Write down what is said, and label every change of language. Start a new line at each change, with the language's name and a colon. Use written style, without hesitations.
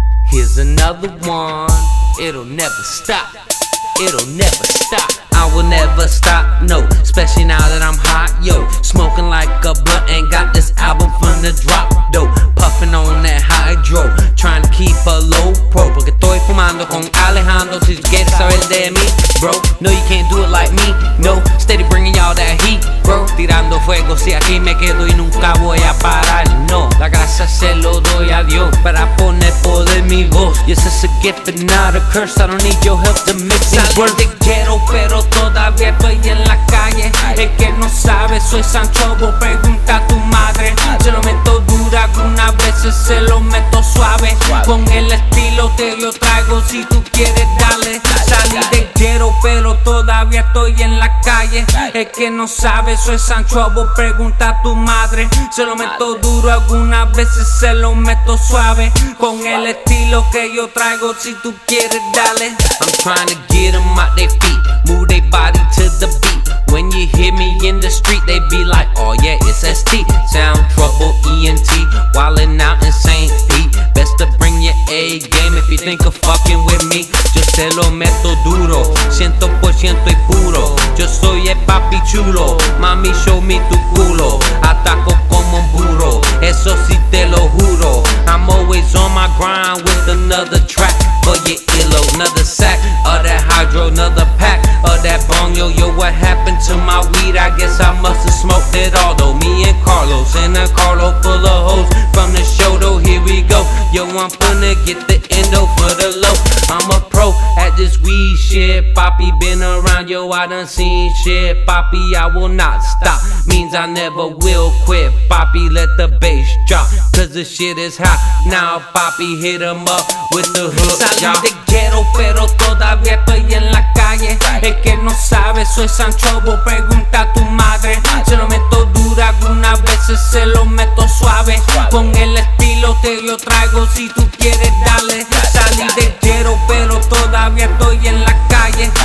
English: Here's another one. It'll never stop. It'll never stop. I will never stop. No, especially now that I'm hot. Yo, smoking like a blunt and got this album from the drop. Dope, puffing on that hydro, trying to keep a low pro.
Spanish: Porque estoy fumando con Alejandro. Si tú quieres saber de mí, bro.
English: No, you can't do it like me. No, steady bringing y'all that heat.
Spanish: Tirando fuego, si aquí me quedo y nunca voy a parar, no. La gracia se lo doy a Dios para poner poder mi voz.
English: Yes, it's a gift and not a curse, I don't need your help to mix it.
Spanish: Sali del Ghetto, pero todavía estoy en la calle. Es que no sabes, soy SOUUNDTROUBLE, pregunta a tu madre. Se lo meto duro, algunas veces se lo meto suave. Con el estilo te lo traigo, si tú quieres darle. Sali del Ghetto, pero todavía estoy en la calle. Es que no sabes, soy SOUUNDTROUBLE, pregunta a tu madre. Se lo meto duro, algunas veces se lo meto suave. Con el estilo que yo traigo, si tú quieres darle.
English: I'm trying to get them out their feet, move their body to the beat. When you hear me in the street, they be like, oh yeah, it's ST. SOUUNDTROUBLE, ENT, wildin' out in St. Pete. Best to bring your A-game if you think of fucking with me.
Spanish: Yo se lo meto duro, 100% y puro. Yo soy el papi chulo, mami,
English: show me
Spanish: tu culo. Ataco como un burro, eso sí te lo juro.
English: I'm always on my grind with another track. For your earlobe, another sack of that hydro, another pack of that bong. Yo, yo, what happened to my weed? I guess I must have smoked it all though. Me and Carlos in a carlo full of hoes from the show though. Here we go. Yo, I'm finna get the endo for the low. I'm a pro at this weed shit. Poppy been around, yo, I done seen shit. Poppy, I will not stop. Means I never will quit. Poppy, let the bass drop, cause the shit is hot. Now, Poppy, hit him up with the hook.
Spanish: Sali del Ghetto, pero todavía estoy en la calle. Es que no sabes, soy SOUUNDTROUBLE, pregunta a tu madre. Se lo meto duro, algunas veces se lo meto suave. Con el estilo te lo traigo, si tú quieres darle. Sali del Ghetto, pero todavía estoy en la calle.